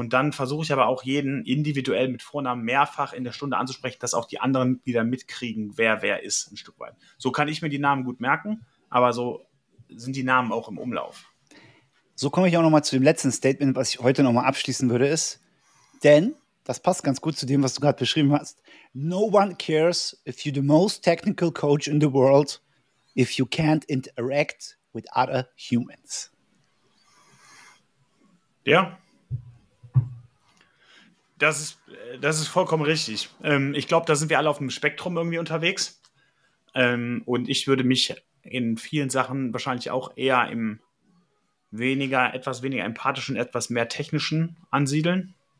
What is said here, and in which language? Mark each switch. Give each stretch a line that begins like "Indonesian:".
German: Und dann versuche ich aber auch jeden individuell mit Vornamen mehrfach in der Stunde anzusprechen, dass auch die anderen wieder mitkriegen, wer ist ein Stück weit. So kann ich mir die Namen gut merken, aber so sind die Namen auch im Umlauf. So komme ich auch nochmal zu dem letzten Statement, was ich heute nochmal abschließen würde, ist, denn das passt ganz gut zu dem, was du gerade beschrieben hast.
English: No one cares if you're the most technical coach in the world, if you can't interact with other humans.
German: Ja. Das ist vollkommen richtig. Ich glaube, da sind wir alle auf dem Spektrum irgendwie unterwegs. Und ich würde mich in vielen Sachen wahrscheinlich auch eher im etwas weniger empathischen, etwas mehr technischen ansiedeln.